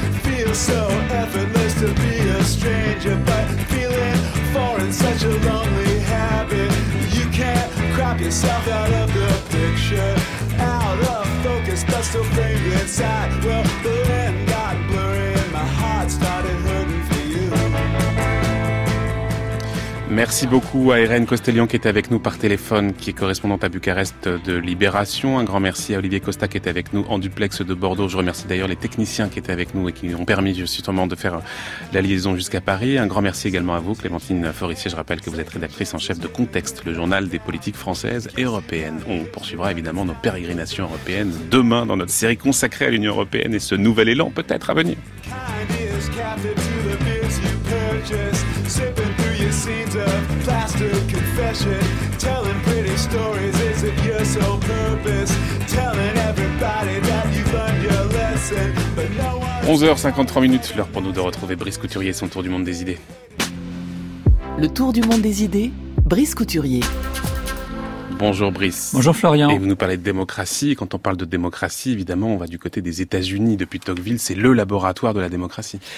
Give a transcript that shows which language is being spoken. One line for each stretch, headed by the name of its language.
English: Feels so effortless to be a stranger, but feeling foreign, such a lonely habit. You can't crop yourself out of the picture, out of focus, but still framed inside. Well, the land got blurry, and my heart started hurting.
French: Merci beaucoup à Irène Costellion qui était avec nous par téléphone, qui est correspondante à Bucarest de Libération. Un grand merci à Olivier Costa qui était avec nous en duplex de Bordeaux. Je remercie d'ailleurs les techniciens qui étaient avec nous et qui ont permis justement de faire la liaison jusqu'à Paris. Un grand merci également à vous, Clémentine Forissier. Je rappelle que vous êtes rédactrice en chef de Contexte, le journal des politiques françaises et européennes. On poursuivra évidemment nos pérégrinations européennes demain dans notre série consacrée à l'Union européenne et ce nouvel élan peut-être à venir.
English: Scenes of plastic confession, telling pretty stories, is it your sole purpose? Telling everybody that you've learned your lesson, but no one.
French: 11h53 minutes, l'heure pour nous de retrouver Brice Couturier et son tour du monde des idées. Le tour du monde des idées, Brice Couturier. Bonjour Brice. Bonjour Florian. Et vous nous parlez de démocratie. Quand on parle de démocratie, évidemment, on va du côté des États-Unis. Depuis Tocqueville, c'est le laboratoire de la démocratie.